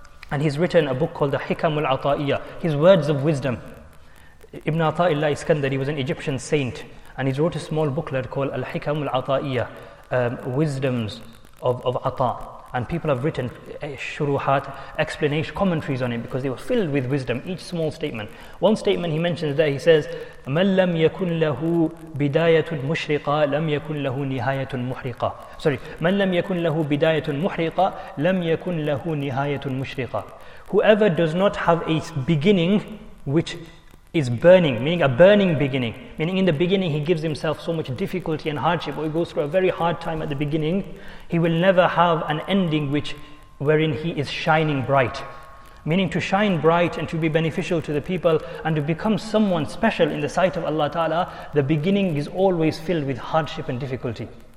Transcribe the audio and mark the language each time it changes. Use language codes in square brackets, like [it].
[en] And he's written a book called the Hikam al-Ata'iyya, his words of wisdom. Ibn Ata'illah Iskandari was an Egyptian saint, and he wrote a small booklet called al-Hikam al-Ata'iyya, wisdoms of Ata. And people have written shuruhat, explanation, commentaries on it, because they were filled with wisdom, each small statement. One statement he mentions there, he says, [ar] مَنْ لَمْ يَكُنْ لَهُ بِدَايَةٌ مُشْرِقَى لَمْ يَكُنْ لَهُ نِهَايَةٌ مُحْرِقَى. [en] Sorry, [ar] مَنْ لَمْ يَكُنْ لَهُ بِدَايَةٌ مُحْرِقَى لَمْ يَكُنْ لَهُ نِهَايَةٌ مُشْرِقَى. [en] Whoever does not have a beginning which is burning, meaning a burning beginning. Meaning in the beginning he gives himself so much difficulty and hardship, or he goes through a very hard time at the beginning, he will never have an ending which wherein he is shining bright. Meaning to shine bright and to be beneficial to the people and to become someone special in the sight of Allah Ta'ala, the beginning is always filled with hardship and difficulty.